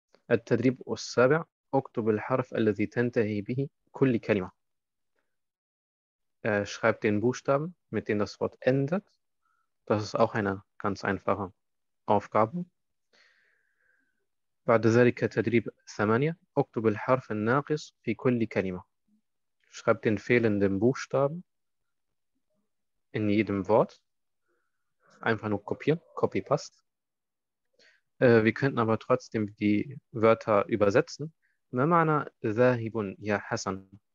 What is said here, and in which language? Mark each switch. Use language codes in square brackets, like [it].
[ar] التدريب السابع اكتب الحرف الذي تنتهي به كل كلمة. [de] Er schreibt den Buchstaben, mit dem das Wort endet. Das ist auch eine ganz einfache Aufgabe. [ar] بعد ذلك تدريب ثمانية اكتب الحرف الناقص في كل كلمة. [de] Schreib den fehlenden Buchstaben in jedem Wort. Einfach nur kopieren, [en] copy paste. [de] Wir könnten aber trotzdem die Wörter übersetzen. [ar] Ma ma'na zahibun, ya Hassan?